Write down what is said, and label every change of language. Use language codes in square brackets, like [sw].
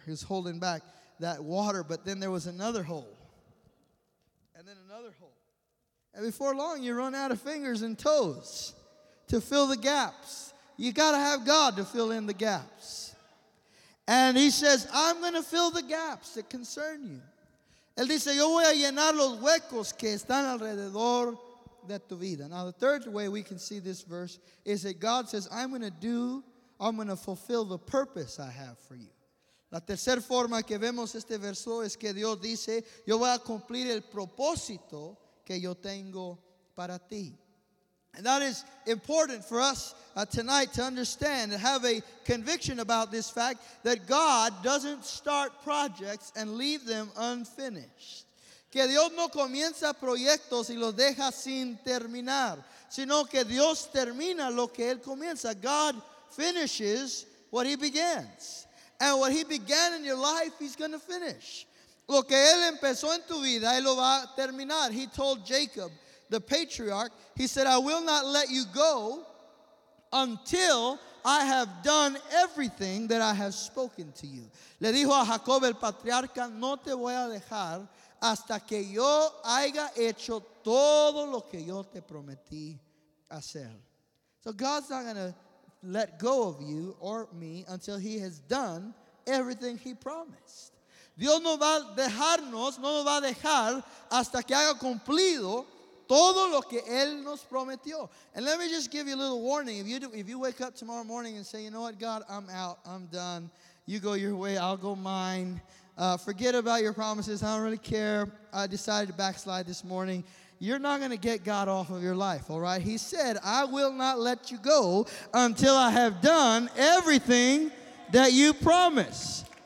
[en] He was holding back that water, but then there was another hole. And then another hole. And before long, you run out of fingers and toes to fill the gaps. You got to have God to fill in the gaps. And he says, I'm going to fill the gaps that concern you. [es] Él dice, yo voy a llenar los huecos que están alrededor de tu vida. [en] Now, the third way we can see this verse is that God says, I'm going to fulfill the purpose I have for you. [es] La tercera forma que vemos este verso es que Dios dice, yo voy a cumplir el propósito que yo tengo para ti. [en] And that is important for us tonight to understand and have a conviction about this fact that God doesn't start projects and leave them unfinished. [es] Que Dios no comienza proyectos y los deja sin terminar, sino que Dios termina lo que Él comienza. [en] God finishes what He begins. And what He began in your life, He's going to finish. [es] Lo que Él empezó en tu vida, Él lo va a terminar. [en] He told Jacob, the patriarch, he said, I will not let you go until I have done everything that I have spoken to you. [es] Le dijo a Jacob el patriarca, no te voy a dejar hasta que yo haya hecho todo lo que yo te prometí hacer. [en] So God's not going to let go of you or me until he has done everything he promised. [es] Dios no va a dejarnos, no nos va a dejar hasta que haya cumplido todo lo que Él nos prometió. [en] And let me just give you a little warning. If you wake up tomorrow morning and say, you know what, God, I'm out, I'm done. You go your way, I'll go mine. Forget about your promises, I don't really care. I decided to backslide this morning. You're not going to get God off of your life, all right? He said, I will not let you go until I have done everything that you promise.